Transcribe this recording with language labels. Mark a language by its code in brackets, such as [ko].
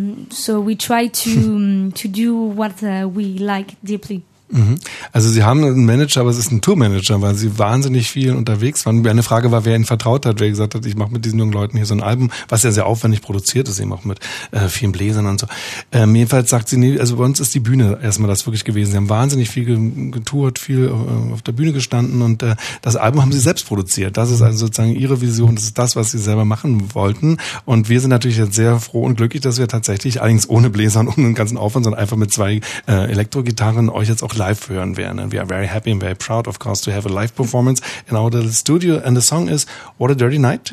[en] So we try to do what we like deeply. [de] Also Sie haben einen Manager, aber es ist ein Tourmanager, weil Sie wahnsinnig viel unterwegs waren. Eine Frage war, wer Ihnen vertraut hat, wer gesagt hat, ich mache mit diesen jungen Leuten hier so ein Album, was ja sehr aufwendig produziert ist, eben auch mit vielen Bläsern und so. Jedenfalls sagt sie, nee, also bei uns ist die Bühne erstmal das wirklich gewesen. Sie haben wahnsinnig viel getourt, viel auf der Bühne gestanden und das Album haben Sie selbst produziert. Das ist also sozusagen Ihre Vision, das ist das, was Sie selber machen wollten. Und wir sind natürlich jetzt sehr froh und glücklich, dass wir tatsächlich, allerdings ohne Bläser und ohne den ganzen Aufwand, sondern einfach mit zwei Elektrogitarren euch jetzt auch live hören werden. [en] And we are very happy and very proud, of course, to have a live performance in our little studio. And the song is What a Dirty Night.